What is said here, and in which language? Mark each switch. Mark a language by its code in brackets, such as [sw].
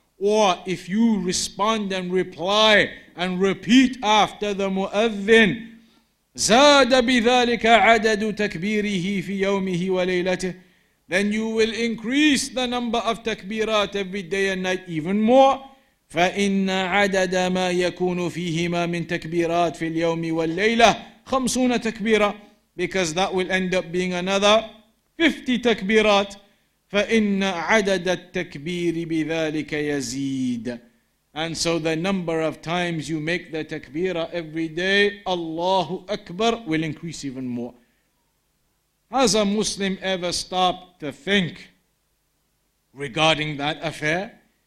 [en] Or if you respond and reply and repeat after the muadhin, [ar] زَادَ بِذَلِكَ عَدَدُ تَكْبِيرِهِ فِي يَوْمِهِ وَلَيْلَتِهِ, [en] then you will increase the number of takbirat every day and night even more. [ar] فَإِنَّ عَدَدَ مَا يَكُونُ فِيهِمَا مِنْ تَكْبِيرَاتِ فِي الْيَوْمِ وَالْلَيْلَةِ 50 takbirat, [en] because that will end up being another 50 takbirat. [ar] فَإِنَّ عَدَدَ التَّكْبِيرِ بِذَٰلِكَ يَزِيدٌ. [en] And so the number of times you make the takbira every day, Allahu Akbar, will increase even more. Has a Muslim ever stopped to think regarding that affair?